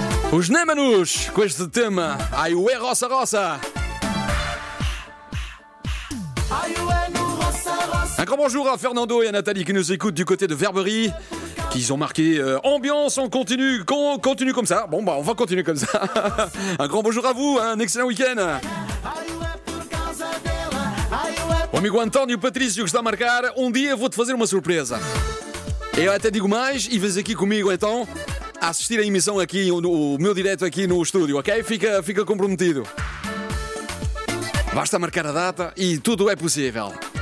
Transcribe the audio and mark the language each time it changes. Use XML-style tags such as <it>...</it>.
<pt>Os Némanos, com este tema, Ai Ué Roça Roça.</pt> <fr>Un grand bonjour à Fernando et à Nathalie qui nous écoutent du côté de Verberie, qui ont marqué ambiance, on continue comme ça. Bon bah on va continuer comme ça. Un grand bonjour à vous, un excellent week-end.</fr> <pt>O amigo António Patrício que está a marcar, um dia vou-te fazer uma surpresa. Eu até digo mais, e vês aqui comigo então, a assistir a emissão aqui, o meu direto aqui no estúdio, ok? Fica comprometido. Basta marcar a data e tudo é possível.</pt>